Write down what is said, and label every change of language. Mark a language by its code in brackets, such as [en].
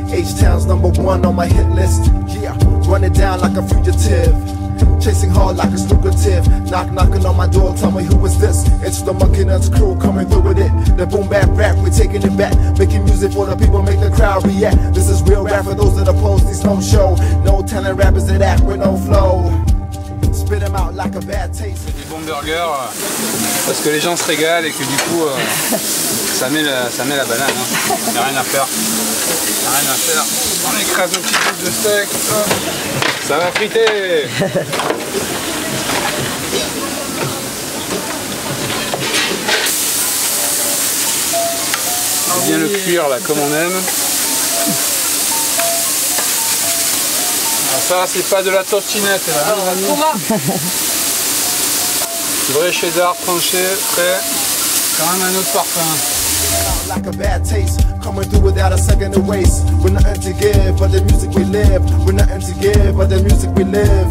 [en] H-Town's number one on my hit list. Yeah, run it down like a fugitive, chasing hard like it's lucrative. Knock knocking on my door, tell me who is this. It's the Monkey Nuts crew coming through with it. The boom bap rap, we're taking it back. Making music for the people, make the crowd react. This is real rap for those that oppose these no show. No talent rappers that act with no flow. Spit them out like a bad taste. [fr] Des bons burgers parce que les gens se régalent et que du coup ça met la banane, hein. Y'a rien à faire. Y'a rien à faire. On écrase un petit bout de steak. Ça va friter. C'est bien le cuir là comme on aime. Alors ça c'est pas de la tortinette là. Hein, vrai cheddar tranché, prêt. Quand même un autre parfum. [en] Like a bad taste, coming through without a second to waste. With nothing to give but the music we live. With nothing to give but the music we live.